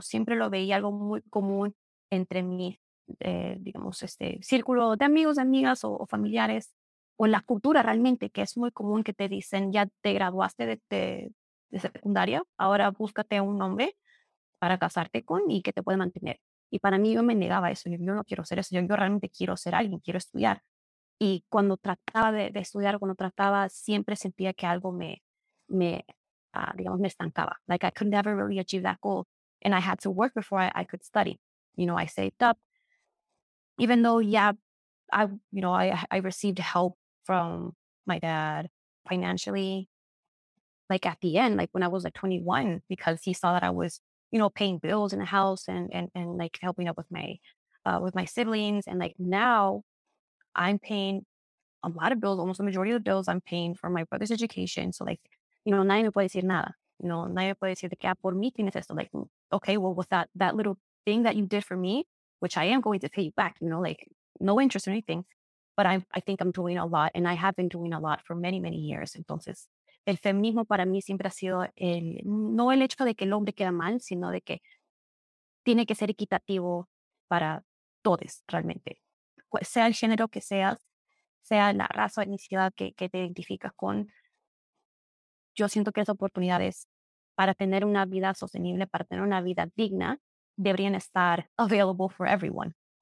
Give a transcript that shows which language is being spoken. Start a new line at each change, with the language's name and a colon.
Spanish: Siempre lo veía algo muy común entre mi, digamos, este círculo de amigos, de amigas o familiares, o la cultura realmente, que es muy común que te dicen, ya te graduaste de secundaria, ahora búscate un hombre para casarte con y que te pueda mantener. Y para mí yo me negaba eso, yo no quiero ser eso, yo realmente quiero ser alguien, quiero estudiar. Y cuando trataba de estudiar, cuando trataba, siempre sentía que algo me estancaba.
English: Like, I could never really achieve that goal. And I had to work before I could study. You know, I saved up. Even though, yeah, I received help from my dad financially. Like, at the end, like, when I was, like, 21, because he saw that I was, you know, paying bills in the house and like, helping up with my siblings. And, like, now I'm paying a lot of bills, almost the majority of the bills I'm paying for my brother's education. So like, you know,
Spanish: nadie me puede decir nada.
English: You know,
Spanish: nadie me puede decir de que por mí tienes esto.
English: Like, okay, well, with that little thing that you did for me, which I am going to pay you back, you know, like no interest or anything, but I think I'm doing a lot and I have been doing a lot for many, many years.
Spanish: Entonces, el feminismo para mí siempre ha sido el, no el hecho de que el hombre queda mal, sino de que tiene que ser equitativo para todos realmente. Sea el género que seas, sea la raza o etnicidad que te identificas con, yo siento que las oportunidades para tener una vida sostenible, para tener una vida digna, deberían estar
English: available for everyone.